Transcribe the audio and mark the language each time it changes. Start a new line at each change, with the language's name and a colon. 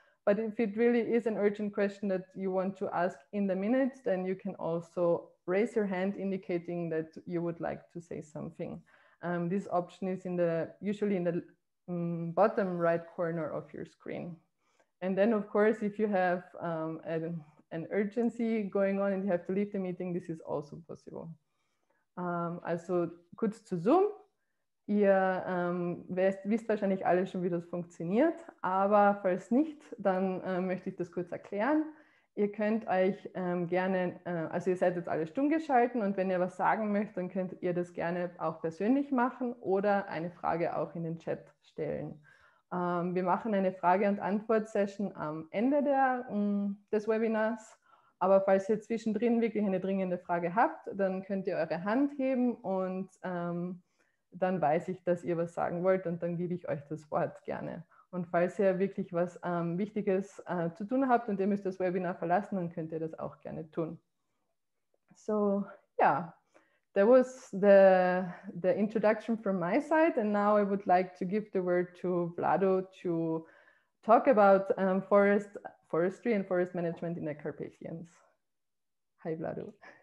English: But if it really is an urgent question that you want to ask in the minute, then you can also raise your hand indicating that you would like to say something. This option is usually in the bottom right corner of your screen. And then of course, if you have an urgency going on and you have to leave the meeting, this is also possible.
German: Also kurz zu Zoom. Ihr wisst wahrscheinlich alle schon, wie das funktioniert, aber falls nicht, dann möchte ich das kurz erklären. Ihr könnt euch ihr seid jetzt alle stumm geschalten und wenn ihr was sagen möchtet, dann könnt ihr das gerne auch persönlich machen oder eine Frage auch in den Chat stellen. Wir machen eine Frage- und Antwort-Session am Ende des Webinars. Aber falls ihr zwischendrin wirklich eine dringende Frage habt, dann könnt ihr eure Hand heben und dann weiß ich, dass ihr was sagen wollt und dann gebe ich euch das Wort gerne. Und falls ihr wirklich was Wichtiges zu tun habt und ihr müsst das Webinar verlassen, dann könnt ihr das auch gerne tun.
English: So, yeah, that was the introduction from my side and now I would like to give the word to Vlado to talk about forestry and forest management in the Carpathians. Hi, Vlado.